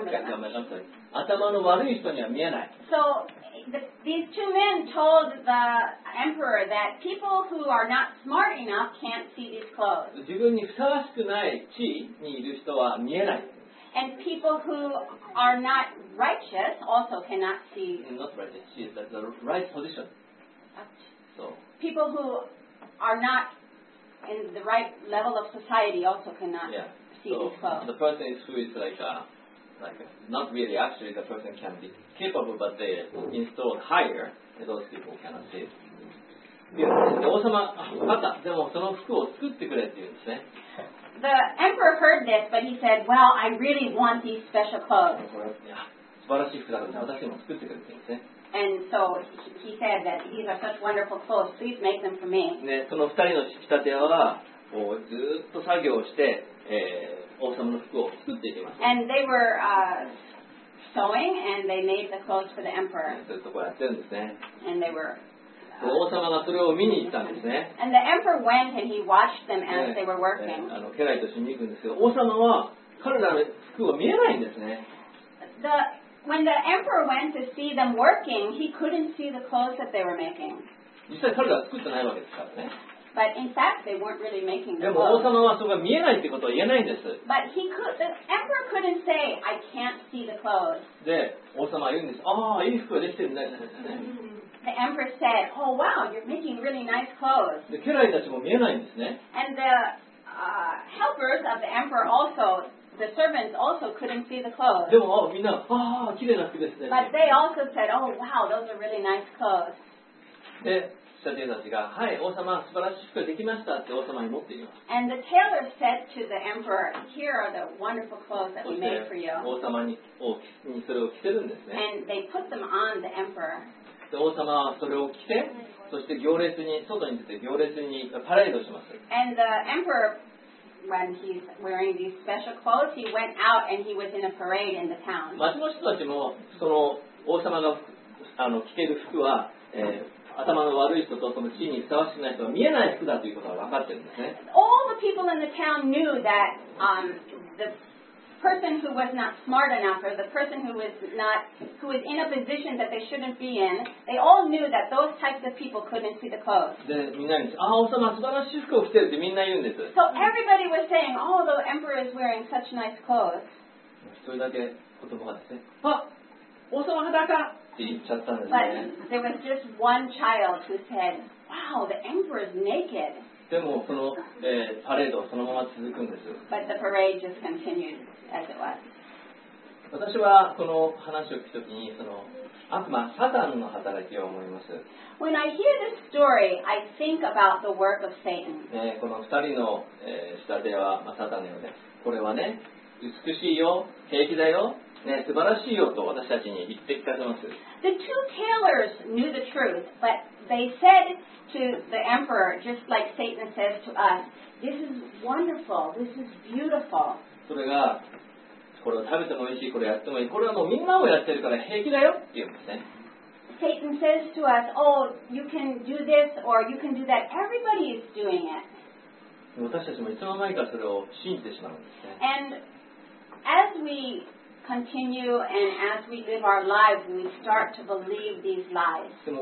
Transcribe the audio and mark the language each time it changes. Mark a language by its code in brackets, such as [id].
[ja] 頭の悪い人には見えない。 [en] So these two men told the emperor that people who are not smart enough can't see these clothes. [ja] 自分にふさわしくない地位にいる人は見えない。 [en] And people who are not righteous also cannot see. Not righteous, she is at the right position. So people who are not in the right level of society also cannot. Yeah. So, the person who is like not really actually the person can be capable, but they installed higher, those people cannot see it. [ja] で王様、またでもその服を作ってくれって言うんですね。 [en] The emperor heard this, but he said, well, I really want these special clothes. [ja] 素晴らしい服だから、ね、私も作ってくれって言うんですね。 [en] And so he said that these are such wonderful clothes, please make them for me. [ja] で、その二人の仕立て屋はこうずっと作業をして、王様の服を作っていきます。 [en] And they were, sewing and they made the clothes for the emperor. [ja] そういうところやってるんですね。 [en] And they were, [ja] 王様がそれを見に行ったんですね。 [en] And the emperor went and he watched them as they were working. [ja] あの家来として見に行くんですけど、王様は彼らの服を見えないんですね。 [en] When the emperor went to see them working, he couldn't see the clothes that they were making. [ja] 実際彼らは作ってないわけですからね。 [en] But in fact, they weren't really making the [ja] clothes. でも王様はそれが見えないってことは言えないんです。 [en] But he could, the emperor couldn't say, I can't see the clothes. [ja] で、王様は言うんです。ああ、いい服ができてるね。 [en] The emperor said, oh wow, you're making really nice clothes. [ja] で、家来たちも見えないんですね。 [en] And the, helpers of the emperor also, the servants also couldn't see the clothes. [ja] でもみんな、ああ、綺麗な服ですね。 [en] But they also said, oh wow, those are really nice clothes. [ja] で、仕立て屋たちが、はい、王様、素晴らしい服ができましたって王様に持っています。 [en] And the tailor said to the emperor, here are the wonderful clothes that we made for you. [ja] 王様に、それを着せるんですね。 [en] And they put them on the emperor. [ja] で、王様はそれを着て、そして行列に、外に出て行列にパレードします。 [en] And the emperor, when he's wearing these special clothes, he went out and he was in a parade in the town. [ja] 町の人たちも、その王様が着ている服は、頭の悪い人とその地位にふさわしくない人は見えない服だということが分かってるんですね。 [en] All the people in the town knew that, the person who was not smart enough or the person who was not, who was in a position that they shouldn't be in, they all knew that those types of people couldn't see the clothes. [ja] で、みんなに、ああ、王様素晴らしい服を着てるってみんな言うんです。 [en] So everybody was saying, oh, the emperor is wearing such nice clothes. [ja] 一人だけ言葉がですね、あ、王様裸か。 [en] But there was just one child who said, "Wow, the emperor is naked." [ja] でもそのパレードはそのまま続くんです。 [en] But the parade just continued as it was. [ja] 私はこの話を聞くときにその悪魔サタンの働きを思います。 [en] When I hear this story, I think about the work of Satan. [ja] この二人の仕立てはまあサタンのようで、これはね美しいよ、平気だよ。ね、素晴らしいよと私たちに言って聞かせます。 [en] The two tailors knew the truth, but they said to the emperor, just like Satan says to us, this is wonderful, this is beautiful. [ja] それが、これを食べてもおいしい、これやってもいい、これはもうみんなをやってるから平気だよって言うんですね。 [en] Satan says to us, oh, you can do this or you can do that. Everybody is doing it. [ja] 私たちもいつの間にかそれを信じてしまうんですね。 [en] And as weContinue and as we live our lives, we start to believe these lies.